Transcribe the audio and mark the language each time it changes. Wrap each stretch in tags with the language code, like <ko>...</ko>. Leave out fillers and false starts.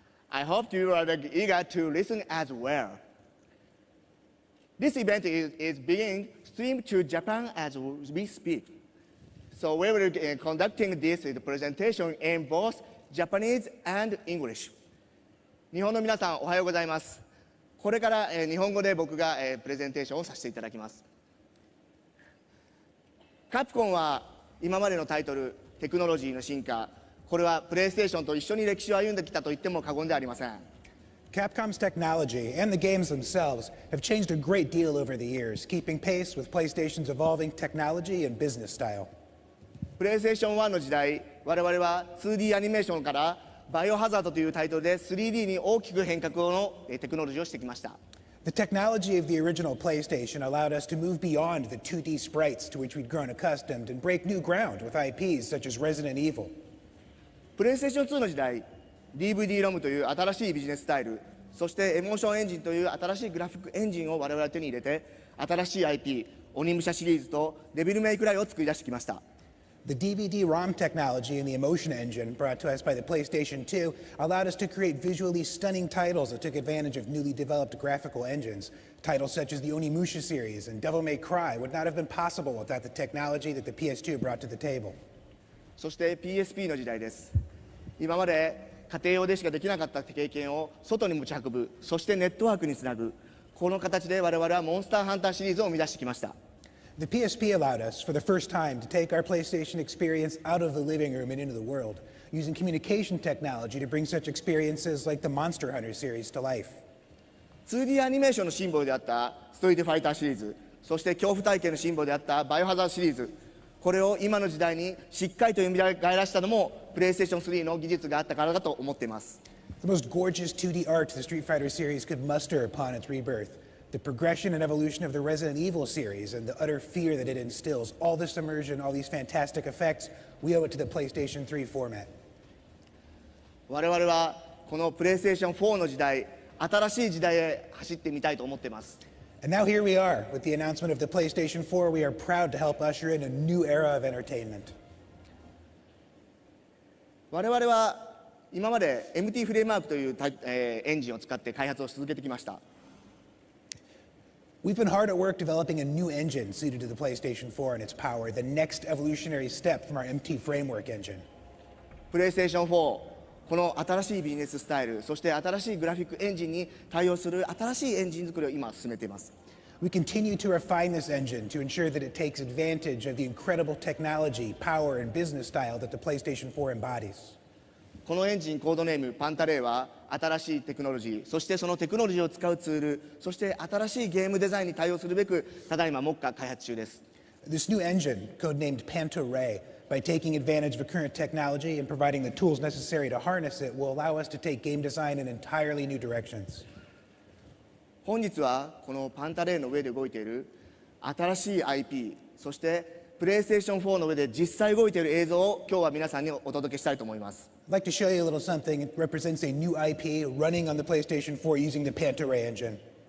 <en>I hope you are eager to listen as well. This event is being streamed to Japan as we speak. So we will be conducting this presentation in both Japanese and English.</en> <ja>日本の皆さん、おはようございます。これから日本語で僕がプレゼンテーションをさせていただきます。カプコンは今までのタイトル、テクノロジーの進化、これはプレイステーションと一緒に歴史を歩んできたと言っても過言ではありません。</ja> <en>Capcom's technology and the games themselves have changed a great deal over the years, keeping pace with PlayStation's evolving technology and business style.</en> <ja>PlayStation 1の時代、我々は 2D アニメーションからバイオハザードというタイトルで 3D に大きく変革のテクノロジーをしてきました。</ja> <en>The technology of the original PlayStation allowed us to move beyond the 2D sprites to which we'd grown accustomed and break new ground with IPs such as Resident Evil.</en> <ja>PlayStation 2の時代、DVD-ROM という新しいビジネススタイル、そしてエモーションエンジンという新しいグラフィックエンジンを我々は手に入れて、新しい IP、鬼武者シリーズとデビルメイクライを作り出してきました。</ja> <en>The DVD-ROM technology and the emotion engine brought to us by the PlayStation 2 allowed us to create visually stunning titles that took advantage of newly developed graphical engines. Titles such as the Onimusha series and Devil May Cry would not have been possible without the technology that the PS2 brought to the table.</en> <ja>そして PSP の時代です。今まで家庭用でしかできなかった経験を外に持ち運ぶ、そしてネットワークにつなぐ。この形で我々はモンスターハンターシリーズを生み出してきました。</ja> <en>The PSP allowed us, for the first time, to take our PlayStation experience out of the living room and into the world, using communication technology to bring such experiences like the Monster Hunter series to life.</en> <ja>2D アニメーションのシンボルであったストリートファイターシリーズ、そして恐怖体験のシンボルであったバイオハザードシリーズ、これを今の時代にしっかりと読み返らしたのも PlayStation 3の技術があったからだと思っています。</ja> <en>The most gorgeous 2D art the Street Fighter series could muster upon its rebirth. The progression and evolution of the Resident Evil series and the utter fear that it instills, all this immersion, all these fantastic effects, we owe it to the PlayStation 3 format.</en> <ja>我々はこの PlayStation 4の時代、新しい時代へ走ってみたいと思ってます。</ja> <en>And now here we are, with the announcement of the PlayStation 4, we are proud to help usher in a new era of entertainment.</en> <ja>我々は今まで MT フレームワークというエンジンを使って開発を続けてきました。</ja> <en>We've been hard at work developing a new engine suited to the PlayStation 4 and its power, the next evolutionary step from our MT Framework engine.</en> <ja>PlayStation 4, この新しいビジネススタイル、そして新しいグラフィックエンジンに対応する新しいエンジン作りを今進めています。</ja> <en>We continue to refine this engine to ensure that it takes advantage of the incredible technology, power, and business style that the PlayStation 4 embodies.</en> <ja>このエンジン、コードネーム、パンタレイは、新しいテクノロジー、そしてそのテクノロジーを使うツール、そして新しいゲームデザインに対応するべく、ただいま目下開発中です。</ja> <en>This new engine, codenamed Pantarei, by taking advantage of the current technology and providing the tools necessary to harness it, will allow us to take game design in entirely new directions.</en> <ja>本日は、このパンタレイの上で動いている新しい IP、そしてPlayStation 4の上で実際動いている映像を今日は皆さんにお届けしたいと思います。</ja> <en>I'd like to show you a little something. It represents a new IP running on the PlayStation 4 using the Pantarei engine.</en>